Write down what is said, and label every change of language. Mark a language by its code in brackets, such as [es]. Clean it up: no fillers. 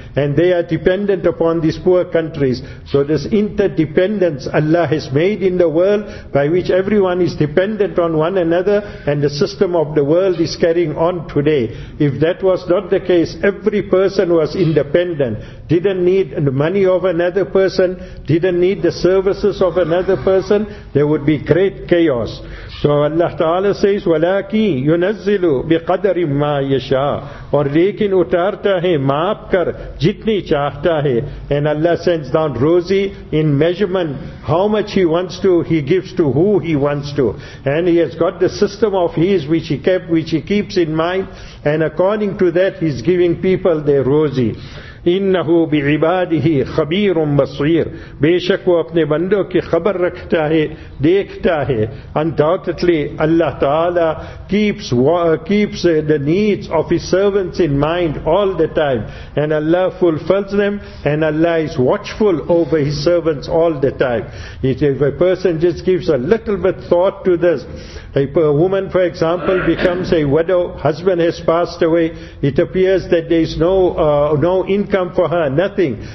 [en] And they are dependent upon these poor countries. So this interdependence Allah has made in the world, by which everyone is dependent on one another, and the system of the world is carrying on today. If that was not the case, every person was independent, didn't need the money of another person, didn't need the services of another person, there would be great chaos. So Allah Ta'ala says, [ar] وَلَاكِ يُنَزِّلُ بِقَدَرِ مَا يَشَاءُ [ur] اور لیکن اتارتا ہے ماپ کر جتنی چاہتا ہے. [en] And Allah sends down rosy in measurement, how much He wants to, He gives to who He wants to. And He has got the system of His which He keeps in mind, and according to that He's giving people their rosy. [ar] إِنَّهُ بِعِبَادِهِ خَبِيرٌ بَصْوِيرٌ [ur] بے شک وہ اپنے بندوں کی خبر رکھتا ہے دیکھتا ہے. [en] Undoubtedly Allah Ta'ala keeps the needs of His servants in mind all the time, and Allah fulfills them, and Allah is watchful over His servants all the time. If a person just gives a little bit thought to this, a woman for example becomes a widow, husband has passed away, it appears that there is no income for her, nothing.